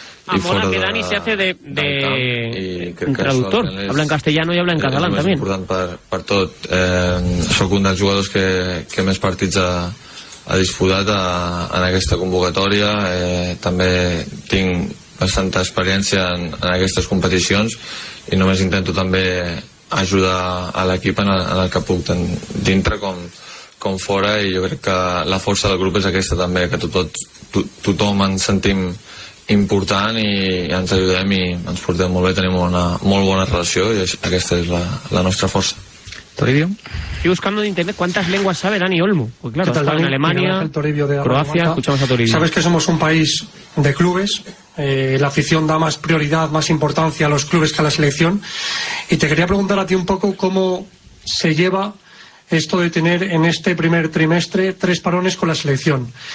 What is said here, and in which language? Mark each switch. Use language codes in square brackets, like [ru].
[es] Ah, mola que Dani se hace de traductor. Habla en castellano i habla en [ca] català també. És important per tot. Soc un dels jugadors que més partits ha disputat en aquesta convocatòria. També tinc bastanta experiència en aquestes competicions i només intento també ajudar a l'equip en el que puc, tant dintre com fora, i jo crec que la força del grup és aquesta també, que tothom ens sentim important i ens ajudem i ens portem molt bé, tenim una molt bona relació, i aquesta és la nostra força. Toribio. [es] Estoy buscando en internet cuántas lenguas sabe Dani Olmo. Pues claro, está en Alemania, Croacia, escuchamos a Toribio. Sabes que somos un país de clubes, la afición da más prioridad, más importancia a los clubes que a la selección, y te quería preguntar a ti un poco cómo se lleva esto de tener en este primer trimestre 3 parones con la selección.